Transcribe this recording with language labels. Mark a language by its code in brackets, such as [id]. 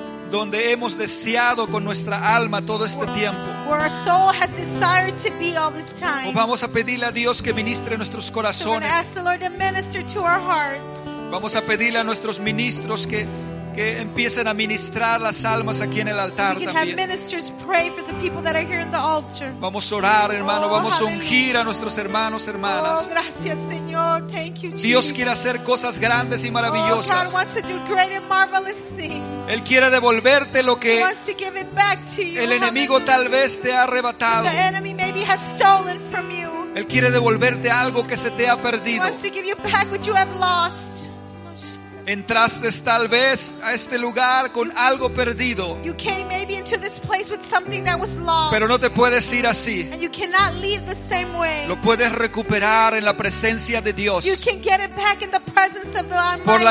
[es] Donde hemos deseado con nuestra alma todo este tiempo. [en] Where our soul has desired to be all this time. [es] O vamos a pedirle a Dios que ministre nuestros corazones. [en] So we're going to ask the Lord to minister to our hearts. [es] Vamos a pedirle a nuestros ministros que empiecen a ministrar las almas aquí en el altar también. [en] We can have ministers pray for the people that are here in the altar. [es] Vamos a orar, hermano. Oh, vamos [en] hallelujah. [es] A ungir a nuestros hermanos, hermanas. Oh, gracias, Señor. [en] Thank you, Jesus. Dios quiere hacer cosas grandes y maravillosas. Oh, God wants to do great and marvelous things. [es] Él quiere devolverte lo que [en] He wants to give it back to you. [es] El enemigo [en] hallelujah. [es] Tal vez te ha arrebatado. [en] The enemy maybe has stolen from you. [es] Él quiere devolverte algo que se te ha perdido. [en] He wants to give you back what you have lost. [es] Entraste tal vez a este lugar con algo perdido. [en] You came maybe into this place with something that was lost. [es] Pero no te puedes ir así. [en] And you cannot leave the same way. [es] Lo puedes recuperar en la presencia de Dios. [en] You can get it back in the presence of the Almighty Lord.